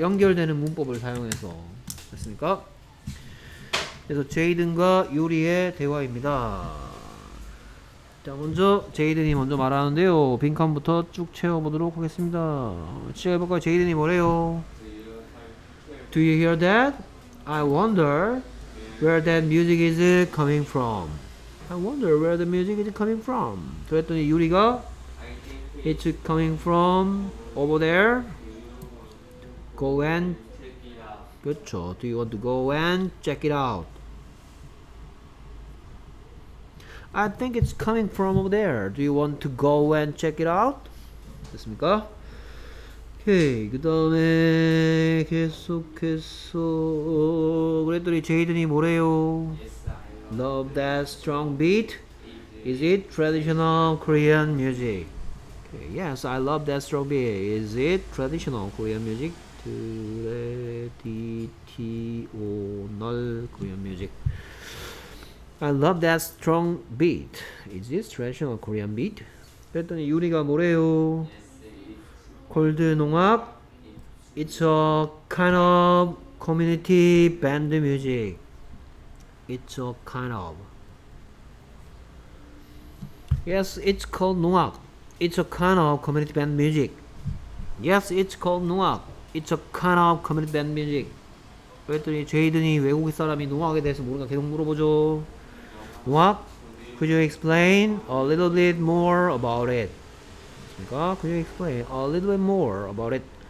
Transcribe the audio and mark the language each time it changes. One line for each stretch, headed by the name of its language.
Korean: 연결되는 문법을 사용해서. 됐습니까? 그래서 제이든과 요리의 대화입니다. 자, 먼저 제이든이 먼저 말하는데요. 빈칸부터 쭉 채워보도록 하겠습니다. 시작해볼까요? 제이든이 뭐래요?
English: Do you hear that? I wonder where that music is coming from. I wonder where the music is coming from.
Korean: 그랬더니 유리가
English: It's coming from over there. Go and
Korean: 그렇죠.
English: Do you want to go and check it out? I think it's coming from over there. Do you want to go and check it out?
Korean: 됐습니까? 오케이, 그 다음에 계속해서 그랬더니 제이든이 뭐래요?
English: Love that strong beat. Is it traditional Korean music? Okay. Yes, I love that strong beat. Is it traditional Korean music? Traditional Korean music. I love that strong beat. Is this traditional Korean beat?
Korean: 그랬더니 유리가 뭐래요?
English: 골드 농악. It's a kind of community band music. It's a kind of. Yes, it's called 농악. It's a kind of community band music. Yes, it's called 농악. It's a kind of community band music.
Korean: 그랬더니 제이든이 외국 사람이 농악에 대해서 모르니까 계속 물어보죠.
English: What? Could you explain a little bit more about it?
Korean: 됐습니까?
English: Could you explain a little bit more about it?